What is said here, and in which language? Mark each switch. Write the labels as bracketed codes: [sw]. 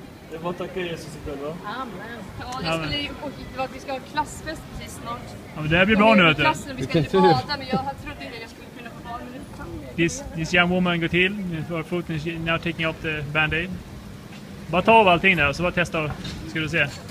[sv] Det var tacka Jesus i kväll, va? Amen. Ja, vi ska ha klassfest precis snart. Ja, men det här blir bra nu, vet du. Vi ska inte bada, men jag trodde inte jag skulle kunna få bada. [en] This young woman got healed with her foot, and she's now taking off the band-aid. [sv] Bara ta av allting där så bara testa och ska du se.